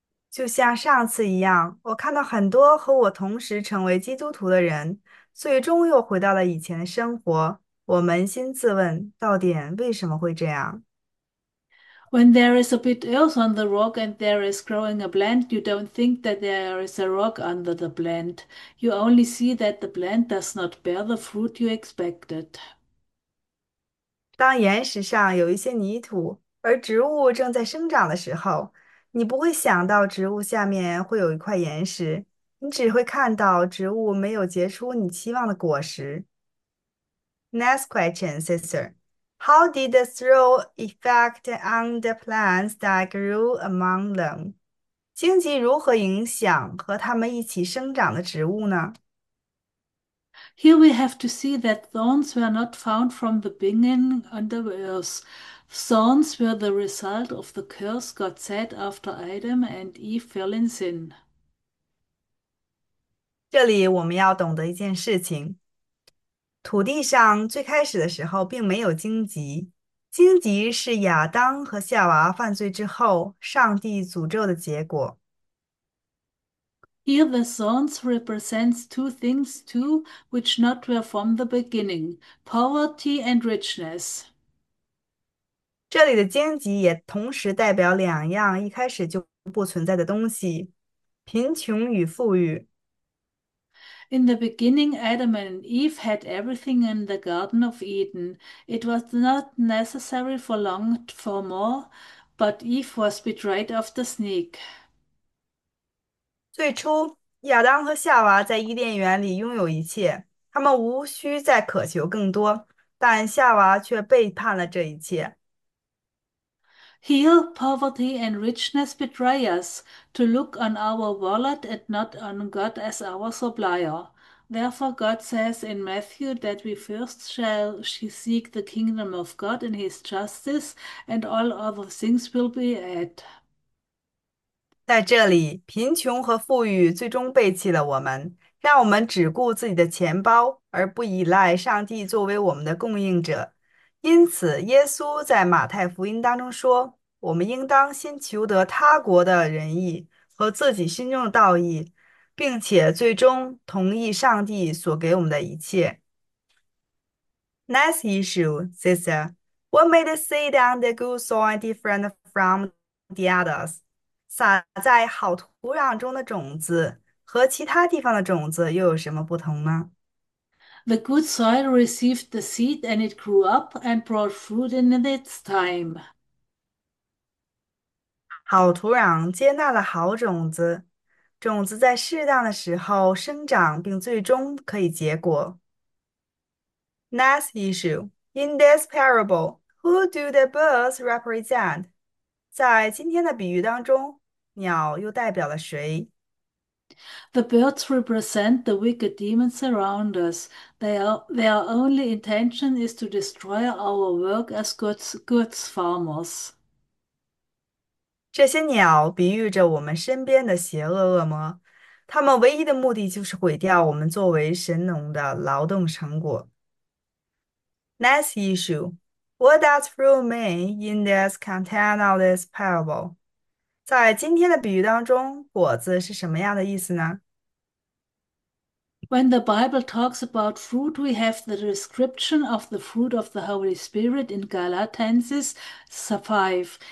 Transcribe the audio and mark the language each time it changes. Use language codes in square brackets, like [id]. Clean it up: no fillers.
[zh] 就像上次一样，我看到很多和我同时成为基督徒的人，最终又回到了以前的生活。我扪心自问，到底为什么会这样？ [en] When there is a bit earth on the rock and there is growing a plant, you don't think that there is a rock under the plant. You only see that the plant does not bear the fruit you expected. [zh] 当岩石上有一些泥土，而植物正在生长的时候，你不会想到植物下面会有一块岩石，你只会看到植物没有结出你期望的果实。 [en] Next question, sister. How did the soil affect on the plants that grew among them? [zh] 荆棘如何影响和它们一起生长的植物呢？ [en] Here we have to see that thorns were not found from the beginning under earth. Thorns were the result of the curse God set after Adam and Eve fell in sin. [zh] 这里我们要懂得一件事情：土地上最开始的时候并没有荆棘，荆棘是亚当和夏娃犯罪之后上帝诅咒的结果。 [en] Here, the thorns represents two things too, which not were from the beginning: poverty and richness. [zh] 这里的荆棘也同时代表两样一开始就不存在的东西：贫穷与富裕。 [en] In the beginning, Adam and Eve had everything in the Garden of Eden. It was not necessary for long for more, but Eve was betrayed of the snake. [zh] 最初，亚当和夏娃在伊甸园里拥有一切，他们无需再渴求更多，但夏娃却背叛了这一切。 [en] Here, poverty and richness betray us to look on our wallet and not on God as our supplier. Therefore, God says in Matthew that we first shall seek the kingdom of God and his justice, and all other things will be added. [zh] 在这里，贫穷和富裕最终背弃了我们，让我们只顾自己的钱包，而不依赖上帝作为我们的供应者。因此，耶稣在马太福音当中说：“我们应当先求得他国的仁义和自己心中的道义，并且最终同意上帝所给我们的一切。 [en] ”Next issue, sister, what made the seed and the good soil different from the others? [zh] 撒在好土壤中的种子和其他地方的种子又有什么不同呢？ [en] The good soil received the seed and it grew up and brought fruit in its time. [zh] 好土壤接纳了好种子，种子在适当的时候生长，并最终可以结果。 [en] Next issue. In this parable, who do the birds represent? [zh] 在今天的比喻当中，鸟又代表了谁？ [en] The birds represent the wicked demons around us. Their only intention is to destroy our work as goods farmers. [zh] 这些鸟比喻着我们身边的邪恶恶魔，它们唯一的目的就是毁掉我们作为神农的劳动成果。 [en] Next issue: What does fruit mean in this content of this parable? [zh] 在今天的比喻当中，果子是什么样的意思呢？ [en] When the Bible talks about fruit, we have the description of the fruit of the Holy Spirit in Galatians 5.